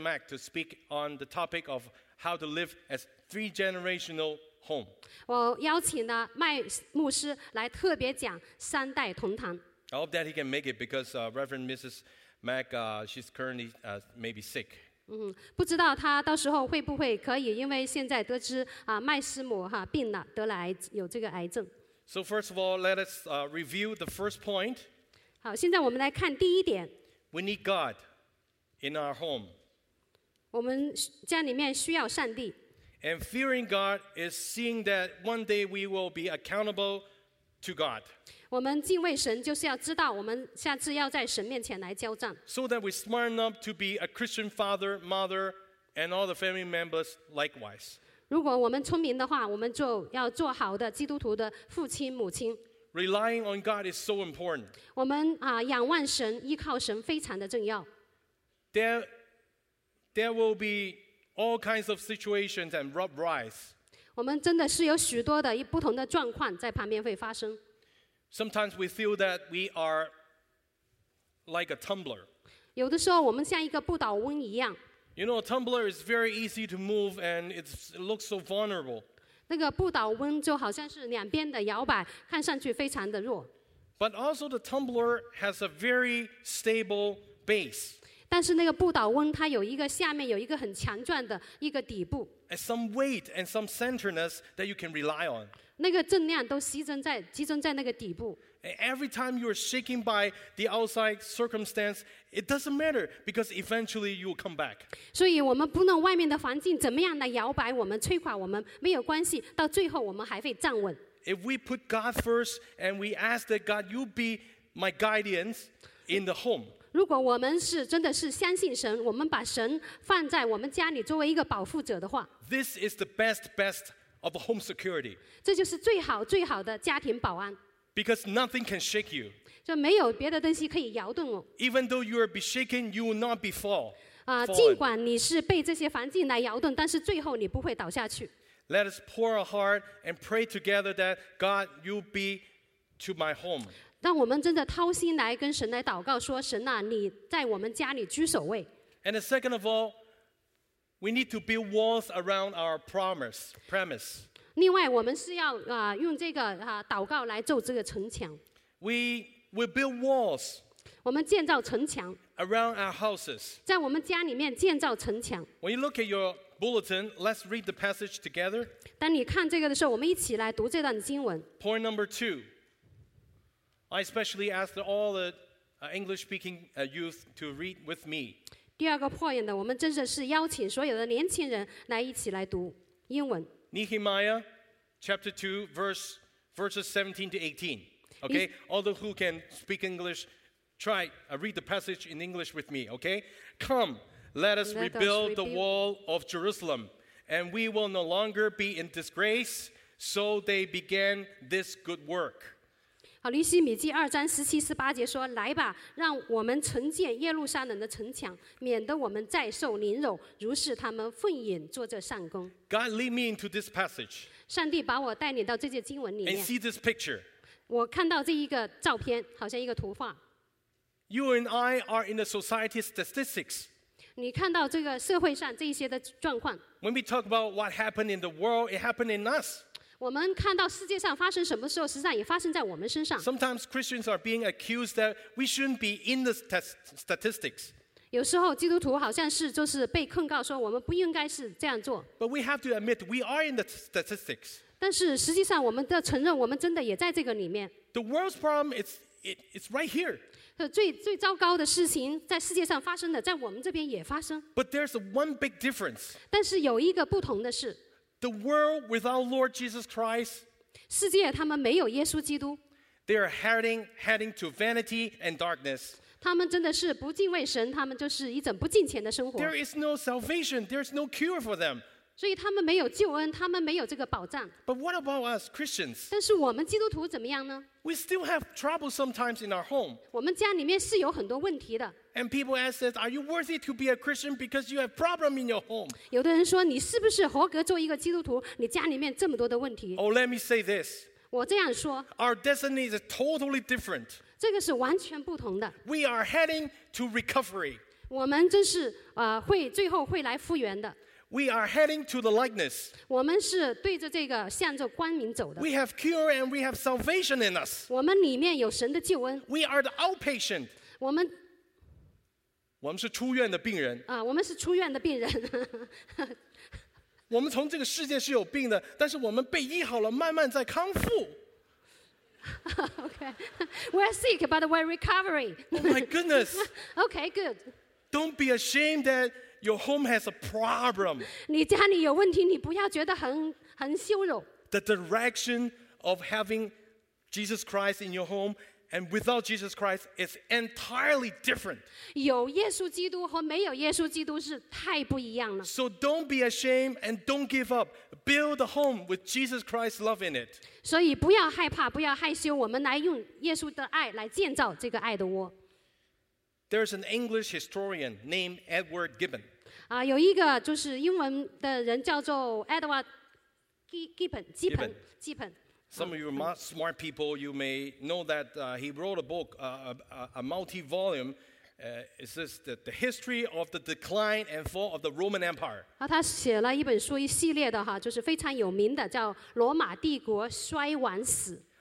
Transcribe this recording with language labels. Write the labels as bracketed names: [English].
[English] Mack to speak on the topic of how to live as three generational home. [Chinese] 我邀请了麦牧师来特别讲三代同堂。 [English] I hope that he can make it because Reverend Mrs. Mack, she's currently maybe sick. [Chinese] 不知道他到时候会不会可以，因为现在得知麦师母病了，得了癌，有这个癌症。 [English] So first of all, let us review the first point. [Chinese] 好，现在我们来看第一点。 [English] We need God in our home. [Chinese] 我们家里面需要上帝。 [English] And fearing God is seeing that one day we will be accountable to God. [Chinese] 我们敬畏神就是要知道我们下次要在神面前来交账。 [English] So that we smart enough to be a Christian father, mother, and all the family members likewise. [Chinese] 如果我们聪明的话，我们就要做好的基督徒的父亲母亲。 [English] Relying on God is so important. [Chinese] 我们仰望神，依靠神非常的重要。 [English] There will be all kinds of situations and rough rides. [Chinese] 我们真的是有许多的不同的状况在旁边会发生。 [English] Sometimes we feel that we are like a tumbler. [Chinese] 有的时候我们像一个不倒翁一样。 [English] You know, a tumbler is very easy to move and it looks so vulnerable. [Chinese] 那个不倒翁就好像是两边的摇摆，看上去非常的弱。 [English] But also the tumbler has a very stable base. [Chinese] 但是那个不倒翁它有一个下面有一个很强壮的一个底部。 [English] And some weight and some centeredness that you can rely on. [Chinese] 那个重量都集中在那个底部。 [English] Every time you are shaken by the outside circumstance, it doesn't matter because eventually you will come back. [Chinese] 所以我们不论外面的环境怎么样的摇摆我们、摧垮我们，没有关系，到最后我们还会站稳。 [English] If we put God first and we ask that God, you be my guidance in the home. [Chinese] 如果我们是真的是相信神，我们把神放在我们家里作为一个保护者的话 [English] ，This is the best of home security. [Chinese] 这就是最好最好的家庭保安。 [English] Because nothing can shake you. [Chinese] 就没有别的东西可以摇动我。 [English] Even though you are be shaken, you will not be fall. [Chinese] 尽管你是被这些环境来摇动，但是最后你不会倒下去。 [English] Let us pour our heart and pray together that God, you be to my home. [Chinese] 让我们真的掏心来跟神来祷告，说神啊，你在我们家里居首位。 [English] And the second of all, we need to build walls around our premise. [Chinese] 另外，我们是要用这个祷告来做这个城墙。 [English] We build walls. [Chinese] 我们建造城墙。 [English] Around our houses. [Chinese] 在我们家里面建造城墙。 [English] When you look at your bulletin, let's read the passage together. [Chinese] 当你看这个的时候，我们一起来读这段经文。 [English] Point number two. I especially ask all the English-speaking youth to read with me. [Chinese] 第二个 point 呢，我们真的是邀请所有的年轻人来一起来读英文。 [English] Nehemiah chapter 2 verses 17 to 18. Okay, all those who can speak English, try read the passage in English with me. Okay, come, let us rebuild the wall of Jerusalem, and we will no longer be in disgrace. So they began this good work. [Chinese] 好，尼希米记二章十七十八节说：“来吧，让我们重建耶路撒冷的城墙，免得我们再受凌辱，如是他们奉允做这善工。” [English] God lead me into this passage. [Chinese] 上帝把我带领到这节经文里面。 [English] And see this picture. [Chinese] 我看到这一个照片，好像一个图画。 [English] You and I are in the society statistics. [Chinese] 你看到这个社会上这些的状况。 [English] When we talk about what happened in the world, it happened in us. [Chinese] 我们看到世界上发生什么时候，实际上也发生在我们身上。 [English] Sometimes Christians are being accused that we shouldn't be in the statistics. [Chinese] 有时候基督徒好像是就是被控告说我们不应该是这样做。 [English] But we have to admit we are in the statistics. [Chinese] 但是实际上我们要承认我们真的也在这个里面。 [English] The world's problem is it's right here. [Chinese] 最糟糕的事情在世界上发生的，在我们这边也发生。 [English] But there's one big difference. [Chinese] 但是有一个不同的是。 [English] The world without Lord Jesus Christ [Chinese] 世界他们没有耶稣基督。 [English] They are heading to vanity and darkness. [Chinese] 他们真的是不敬畏神，他们就是一种不敬虔的生活。 [English] There is no salvation. There is no cure for them. [Chinese] 所以他们没有救恩，他们没有这个保障。 [English] But what about us Christians? [Chinese] 但是我们基督徒怎么样呢？ [English] We still have trouble sometimes in our home. [Chinese] 我们家里面是有很多问题的。 [English] And people ask us, "Are you worthy to be a Christian because you have problem in your home?" [Chinese] 有的人说你是不是合格做一个基督徒？你家里面这么多的问题。 [English] Oh, let me say this. [Chinese] 我这样说。 [English] Our destiny is totally different. [Chinese] 这个是完全不同的。 [English] We are heading to recovery. [Chinese] 我们真是会最后会来复原的。 [English] We are heading to the likeness. [Chinese] 我们是对着这个向着光明走的。 [English] We have cure and we have salvation in us. [Chinese] 我们里面有神的救恩。 [English] We are the outpatient. [Chinese] 我们是出院的病人。啊，我们是出院的病人。我们从这个世界是有病的，但是我们被医好了，慢慢在康复。 [English] Okay, we're sick, but we're recovering. Oh my goodness. Okay, good. Don't be ashamed that. Your home has a problem. [Chinese] 你家里有问题，你不要觉得很羞辱。 [English] The direction of having Jesus Christ in your home and without Jesus Christ is entirely different. [Chinese] 有耶稣基督和没有耶稣基督是太不一样了。 [English] So don't be ashamed and don't give up. Build a home with Jesus Christ's love in it. [Chinese] 所以不要害怕，不要害羞，我们来用耶稣的爱来建造这个爱的窝。 [English] There's an English historian named Edward Gibbon. [Chinese] 啊，有一个就是英文的人叫做 Edward Gibbon. [English] Gibbon. Gibbon. Some of you smart people, you may know that he wrote a book, a multi-volume. It says that the history of the decline and fall of the Roman Empire. [Chinese] 啊，他写了一本书，一系列的哈，就是非常有名的，叫《罗马帝国衰亡史》。